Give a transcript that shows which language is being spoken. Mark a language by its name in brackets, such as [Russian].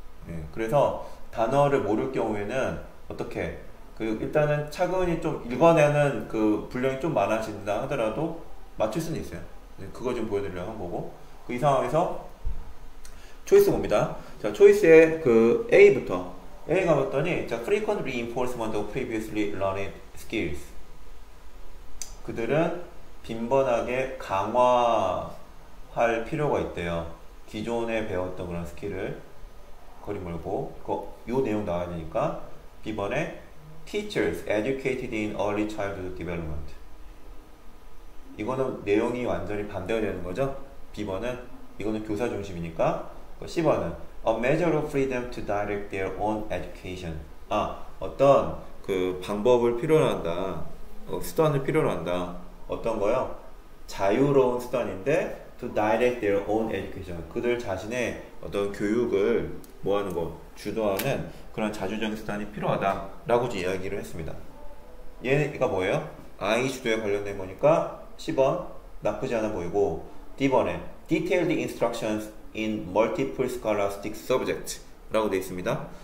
[Korean] 예, 그래서 단어를 모를 경우에는 어떻게 그 일단은 차근히 좀 읽어내는 그 분량이 좀 많아진다 하더라도 맞출 수는 있어요. 그거 좀 보여드리려고 한 거고. 그 이상황에서 초이스 봅니다. 자, 초이스의 그 A부터. A 가봤더니, 자, [English] frequent reinforcement of previously learned skills. [Korean] 그들은 빈번하게 강화할 필요가 있대요. 기존에 배웠던 그런 스킬을 거리 멀고, 요 내용 나와야 되니까. B번에 [English] teachers educated in early childhood development. [Korean] 이거는 내용이 완전히 반대가 되는 거죠. B번은 이거는 교사 중심이니까. C번은 [English] a measure of freedom to direct their own education. [Korean] 아, 어떤 그 방법을 필요로 한다. 수단을 필요로 한다. 어떤 거요? 자유로운 수단인데 [English] to direct their own education. [Korean] 그들 자신의 어떤 교육을 뭐 하는 거 주도하는 그런 자주적인 수단이 필요하다라고 이야기를 했습니다. 얘가 뭐예요? I 주도에 관련된 거니까 10번 나쁘지 않아 보이고, D번에 [English] detailed instructions in multiple scholastic subjects [Korean] 라고 되어 있습니다.